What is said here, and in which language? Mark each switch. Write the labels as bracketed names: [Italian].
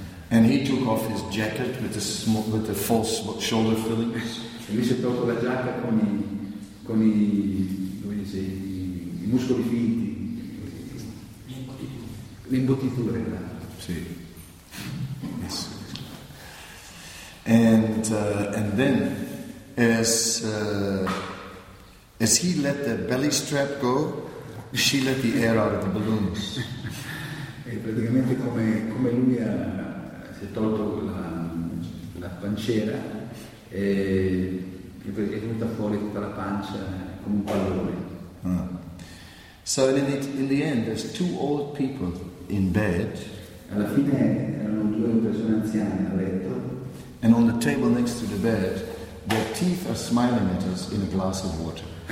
[English] And he took off his jacket with the false shoulder fillings. [Italian] E lui si è tolto la giacca con i muscoli finti. Le imbottiture. Sì. Yes. [English] And then, as he let the belly strap go, she let the air out of the balloons. [Italian] E praticamente come lui si è tolto la panciera e è venuta fuori tutta la pancia come un pallone. Ah. [English] So in the end there's two old people in bed. [Italian] Alla fine erano due persone anziane a letto. [English] And on the table next to the bed, their teeth are smiling at us in a glass of water.